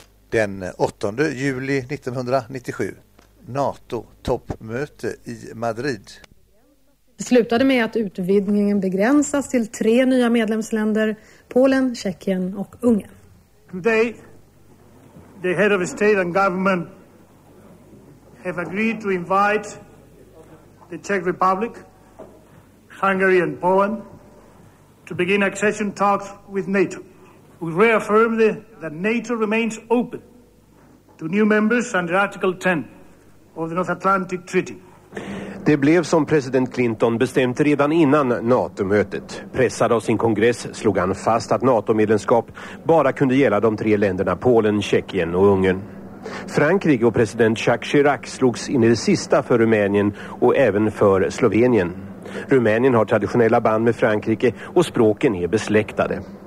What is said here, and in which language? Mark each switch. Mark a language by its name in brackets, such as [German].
[Swedish] Den 8 juli 1997. NATO-toppmöte i Madrid. Det slutade med att utvidgningen begränsas till tre nya medlemsländer, Polen, Tjeckien och Ungern. [English] Today, the head of state and government have agreed to invite the Czech Republic, Hungary and Poland to begin accession talks with NATO. We reaffirm that NATO remains open to new members under Article 10 of the North Atlantic Treaty. [Swedish] Det blev som president Clinton bestämt redan innan NATO-mötet. Pressad av sin kongress slog han fast att NATO-medlemskap bara kunde gälla de tre länderna Polen, Tjeckien och Ungern. Frankrike och president Jacques Chirac slogs in i det sista för Rumänien och även för Slovenien. Rumänien har traditionella band med Frankrike och språken är besläktade.